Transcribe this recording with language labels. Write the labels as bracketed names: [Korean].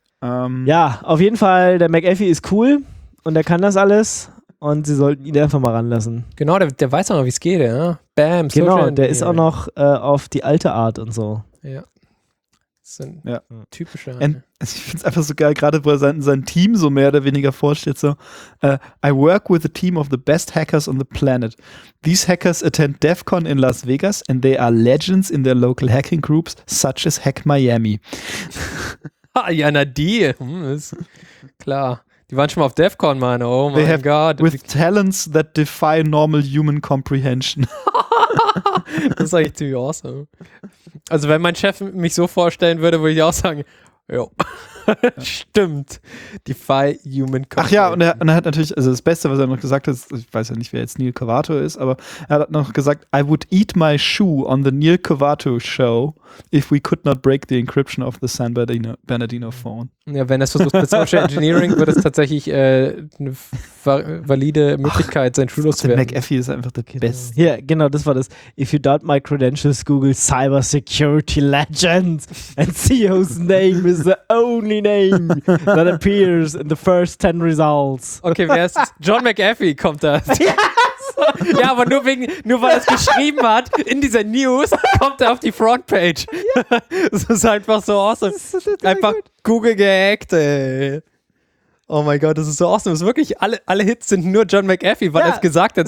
[German] Ja, auf jeden Fall, der McAfee ist cool. Und der kann das alles und sie sollten ihn einfach mal ranlassen. Genau, der weiß auch noch, wie es geht, ja. Bam, so. Genau, der ist auch noch auf die alte Art und so. Ja. Das sind typische. Ich finde es einfach so geil, gerade wo er sein Team so mehr oder weniger vorstellt. [English] So, I work with a team of the best hackers on the planet. These hackers attend DEFCON in Las Vegas and they are legends in their local hacking groups, such as Hack Miami. [German] Ja, na die. Klar. Die waren schon mal auf DEFCON, Mann. Oh mein Gott. [English] With talents that defy normal human comprehension. [German] Das ist eigentlich ziemlich awesome. Also wenn mein Chef mich so vorstellen würde, würde ich auch sagen, jo. Stimmt. [English] Defy human comprehension. [German] Ach ja, und er hat natürlich, also das Beste, was er noch gesagt hat, ich weiß ja nicht, wer jetzt Neil Cavato ist, aber er hat noch gesagt, [English] I would eat my shoe on the Neil Cavato show if we could not break the encryption of the San Bernardino phone. [German] Ja, wenn er es versucht mit Social Engineering, wird es tatsächlich eine valide Möglichkeit, sein Schulhof zu werden. Der McAfee ist einfach der Beste. Ja, yeah, genau, das war das. [English] If you doubt my credentials, Google Cyber Security Legend and CEO's name is the only name that appears in the first 10 results. [German] Okay, wer ist John McAfee kommt da. Ja, aber nur weil er es geschrieben hat, in dieser News, kommt er auf die Frontpage. Ja. Das ist einfach so awesome. Einfach Google gehackt, ey. Oh mein Gott, das ist so awesome. Das ist wirklich, alle Hits sind nur John McAfee, weil er es gesagt hat.